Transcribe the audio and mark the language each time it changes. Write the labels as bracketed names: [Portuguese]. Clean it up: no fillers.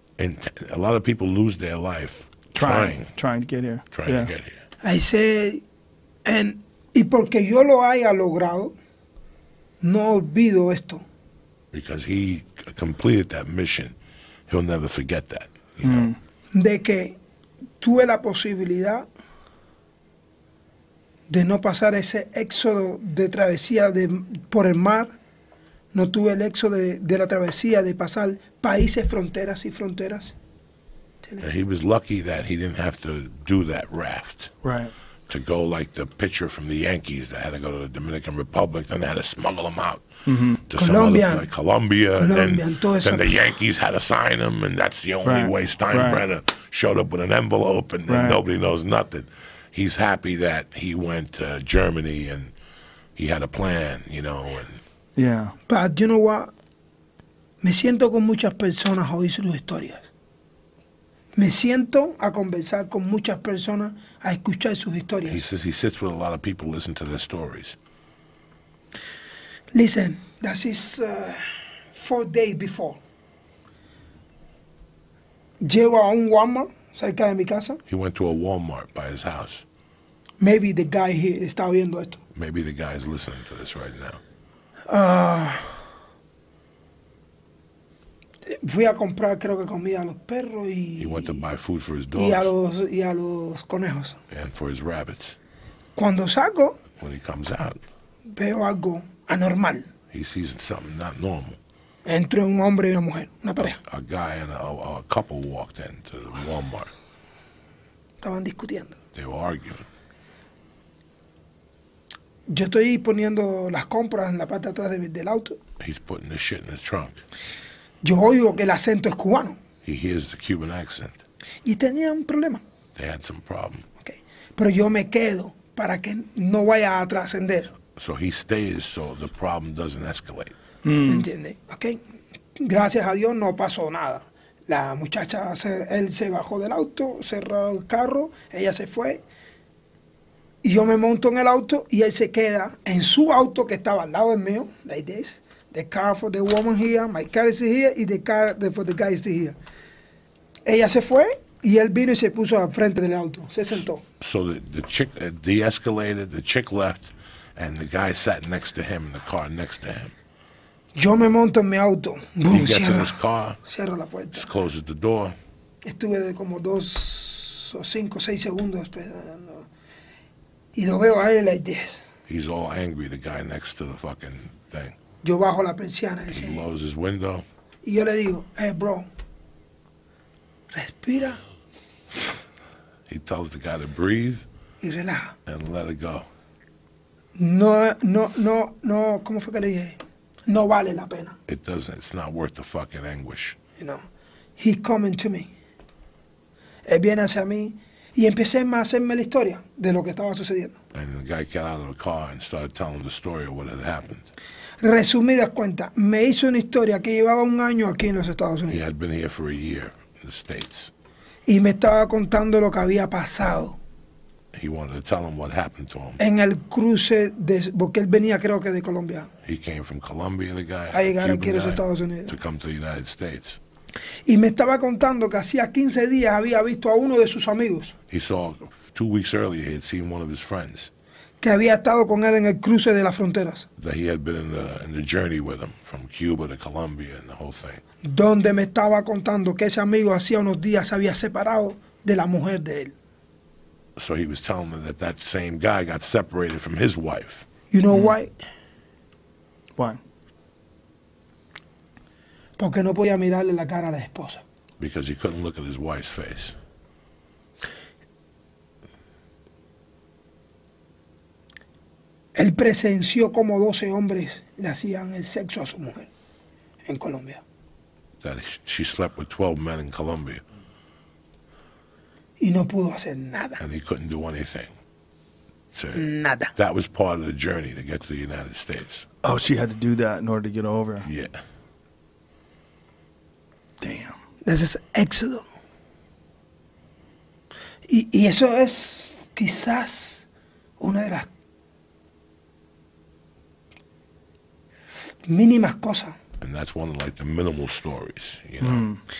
[English] A lot of people lose their life trying to get here. I say, [Spanish] y porque yo lo haya logrado, no olvido esto. [English] Because he completed that mission, he'll never forget that. You know? [Spanish] De que tuve la posibilidad de no pasar ese éxodo de travesía de por el mar, no tuve el éxodo de la travesía de pasar países, fronteras y fronteras. [English] He was lucky that he didn't have to do that raft. Right. To go like the pitcher from the Yankees that had to go to the Dominican Republic, then they had to smuggle him out to Colombia, some other, like Colombia. Then the Yankees had to sign him, and that's the only way Steinbrenner showed up with an envelope, and then nobody knows nothing. He's happy that he went to Germany, and he had a plan, you know. And yeah. But you know what? [Spanish] Me siento con muchas personas hoy sus historias. Me siento a conversar con muchas personas, a escuchar sus historias. [English] He says he sits with a lot of people, listen to their stories. Listen, this is 4 days before. [Spanish] Llego a un Walmart cerca de mi casa. [English] He went to a Walmart by his house. Maybe the guy here [Spanish] está oyendo esto. [English] Maybe the guy is listening to this right now. [Spanish] Fui a comprar, creo que comida a los perros y... [English] He went to buy food for his dogs. [Spanish] Y a los conejos. [English] And for his rabbits. [Spanish] Cuando salgo... [English] When he comes out. [Spanish] Veo algo anormal. [English] He sees something not normal. [Spanish] Entre un hombre y una mujer, una pareja. [English] A guy and a couple walked into Walmart. [Spanish] Estaban discutiendo. [English] They were arguing. [Spanish] Yo estoy poniendo las compras en la parte de atrás del auto. [English] He's putting the shit in his trunk. [Spanish] Yo oigo que el acento es cubano. [English] He hears the Cuban accent. [Spanish] Y tenía un problema. [English] They had some problem. [Spanish] Okay. Pero yo me quedo para que no vaya a trascender. [English] So he stays so the problem doesn't escalate. [Spanish] ¿Entiende? Okay. Gracias a Dios no pasó nada. La muchacha, él se bajó del auto, cerró el carro, ella se fue. Y yo me monto en el auto y él se queda en su auto que estaba al lado del mío, [English] like this. The car for the woman here, my car is here, and the car for the guy is here. [Spanish] Ella se fue, y él vino y se puso al frente del auto. Se sentó. [English] So the chick de-escalated, the chick left, and the guy sat next to him in the car next to him. [Spanish] Yo me monto en mi auto. [English] Boom, he gets in his car. [Spanish] Cierra la puerta. [English] Just closes the door. [Spanish] Estuve de como dos o cinco, seis segundos esperando. Y lo veo a él [English] like this. He's all angry, the guy next to the fucking thing. [Spanish] Yo bajo la persiana y dice, [English] lowers his window. [Spanish] Y yo le digo, [English] hey, bro, [Spanish] respira. [English] He tells the guy to breathe. [Spanish] Y relaja. [English] And let it go. [Spanish] No, ¿cómo fue que le dije? No vale la pena. [English] It doesn't, it's not worth the fucking anguish. You know, he's coming to me. [Spanish] Él viene hacia mí. Y empecé a hacerme la historia de lo que estaba sucediendo. [English] And the guy got out of the car and started telling the story of what had happened. [Spanish] Resumidas cuentas, me hizo una historia que llevaba un año aquí en los Estados Unidos. [English] He had been here for a year in the States. [Spanish] Y me estaba contando lo que había pasado. [English] He wanted to tell him what happened to him. [Spanish] En el cruce de, porque él venía creo que de Colombia. [English] He came from Colombia, the guy. [Spanish] A llegar aquí a los Estados Unidos. [English] To come to the United States. [Spanish] Y me estaba contando que hacía 15 días había visto a uno de sus amigos. [English] He saw 2 weeks earlier he had seen one of his friends. [Spanish] Que había estado con él en el cruce de las fronteras. [English] That he had been in the journey with him from Cuba to Colombia and the whole thing. [Spanish] Donde me estaba contando que ese amigo hacía unos días se había separado de la mujer de él. [English] So he was telling me that that same guy got separated from his wife. You know why? Why? [Spanish] Porque no podía mirarle la cara a la esposa. [English] Because he couldn't look at his wife's face. [Spanish] Él presenció como 12 hombres le hacían el sexo a su mujer en Colombia. [English] That she slept with 12 men in Colombia. [Spanish] Y no pudo hacer nada. [English] And he couldn't do anything. So [Spanish] nada. [English] That was part of the journey to get to the United States. Oh, she had to do that in order to get over. Yeah. Damn. This is Éxodo. [Spanish] Y eso es quizás una de las mínimas cosas. [English] And that's one of like the minimal stories, you know.